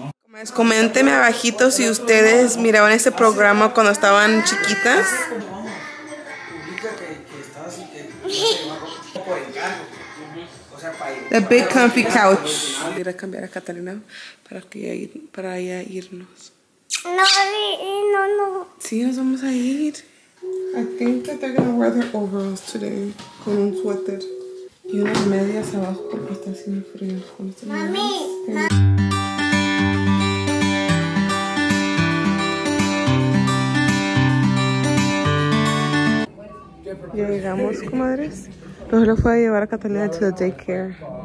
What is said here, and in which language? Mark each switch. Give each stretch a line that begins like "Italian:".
Spanish: Pues coméntenme abajito si ustedes miraban ese programa cuando estaban chiquitas. The Big Comfy Couch. Voy a cambiar a Catalina para allá irnos. No. Sí, nos vamos a ir.
English: I think that they're gonna wear their overalls today.
Spanish: Con un suéter y unas medias abajo porque está haciendo frío. Mami. Ya llegamos, comadres. Pero lo fue a llevar a Catalina
English: to the daycare.